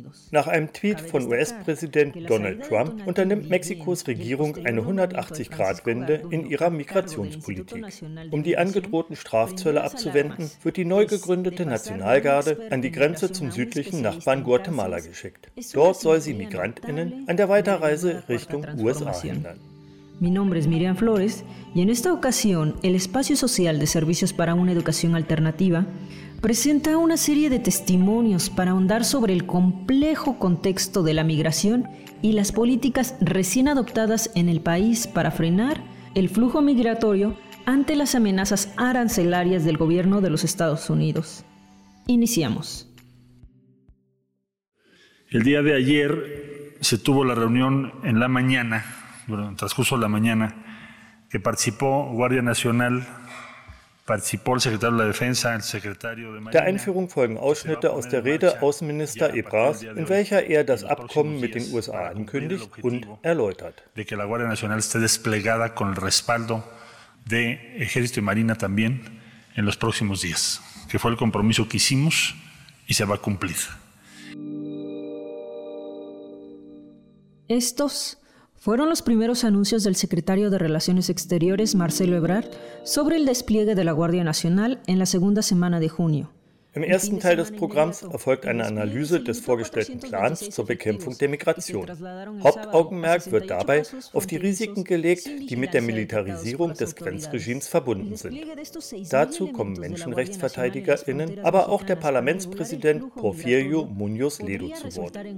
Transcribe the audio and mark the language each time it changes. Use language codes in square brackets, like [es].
[de] Nach einem Tweet von US-Präsident Donald Trump unternimmt Mexikos Regierung eine 180-Grad-Wende in ihrer Migrationspolitik. Um die angedrohten Strafzölle abzuwenden, wird die neu gegründete Nationalgarde an die Grenze zum südlichen Nachbarn Guatemala geschickt. Dort soll sie MigrantInnen an der Weiterreise Richtung USA hindern. [es] Mi nombre es Miriam Flores y en esta ocasión el Espacio Social de Servicios para una Educación Alternativa presenta una serie de testimonios para ahondar sobre el complejo contexto de la migración y las políticas recién adoptadas en el país para frenar el flujo migratorio ante las amenazas arancelarias del gobierno de los Estados Unidos. Iniciamos. El día de ayer se tuvo la reunión en la mañana, durante el transcurso de la mañana, que participó Guardia Nacional. [de] Der Einführung folgen Ausschnitte aus der Rede Außenminister Ebrard, in welcher er das Abkommen mit den USA ankündigt und erläutert. [es] Fueron los primeros anuncios del secretario de Relaciones Exteriores, Marcelo Ebrard, sobre el despliegue de la Guardia Nacional en la segunda semana de junio. [de] Im ersten Teil des Programms erfolgt eine Analyse des vorgestellten Plans zur Bekämpfung der Migration. Hauptaugenmerk wird dabei auf die Risiken gelegt, die mit der Militarisierung des Grenzregimes verbunden sind. Dazu kommen MenschenrechtsverteidigerInnen, aber auch der Parlamentspräsident Porfirio Muñoz Ledo zu Wort.